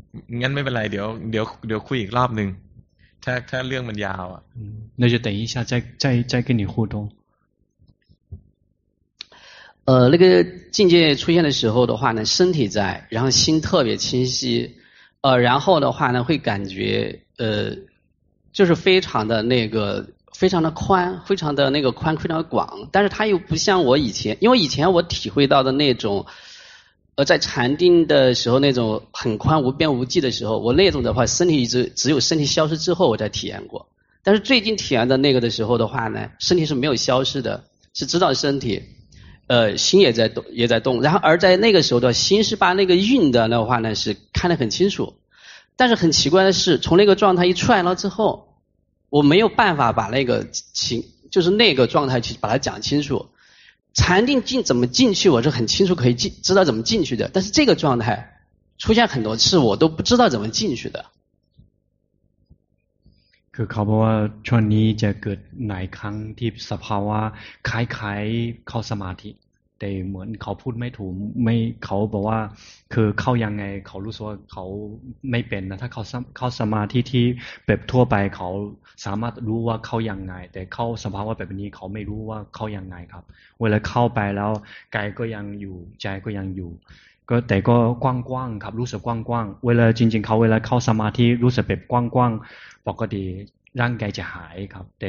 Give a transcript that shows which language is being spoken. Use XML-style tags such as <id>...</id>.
<th>งั้นไม่เป็นไรเดี๋ยวคุยอีกรอบหนึ่งถ้าเรื่องมันยาวอ่ะ。</th> <zh>那就等一下再跟你互动。那个境界出现的时候的话呢，身体在，然后心特别清晰，然后的话呢，会感觉就是非常的那个，非常的宽，非常的那个宽，非常的广，但是它又不像我以前，因为以前我体会到的那种，在禅定的时候那种很宽无边无际的时候，我那种的话，身体一直只有身体消失之后我才体验过，但是最近体验的那个的时候的话呢，身体是没有消失的，是知道身体。心也在动，也在动。然后而在那个时候的心是把那个运的那话呢是看得很清楚，但是很奇怪的是，从那个状态一出来了之后，我没有办法把那个情，就是那个状态去把它讲清楚。禅定进怎么进去，我是很清楚可以进，知道怎么进去的。但是这个状态出现很多次，我都不知道怎么进去的。</zh> <th>คือเขาบอกว่าช่วงนี้จะเกิดหลายครั้งที่สภาวะคล้ายๆเข้าสมาธิแต่เหมือนเขาพูดไม่ถูกไม่เขาบอกว่าคือเข้ายังไงเขารู้สึกว่าเขา ไม่เป็นนะถ้าเข้าสมาธิที่แบบทั่วไปเขาสามารถรู้ว่าเข้ายังไงแต่เข้าสภาวะแบบนี้เขาไม่รู้ว่าเข้ายังไงครับเวลาเข้าไปแล้วกายก็ยังอยู่ใจก็ยังอยู่ก็แต่ก็กว้างๆครับรู้สึกกว้างๆเวลาจริงๆเขาเวลาเข้าสมาธิรู้สึกแบบกว้างๆปกติร่างกายจะหายครับ</th>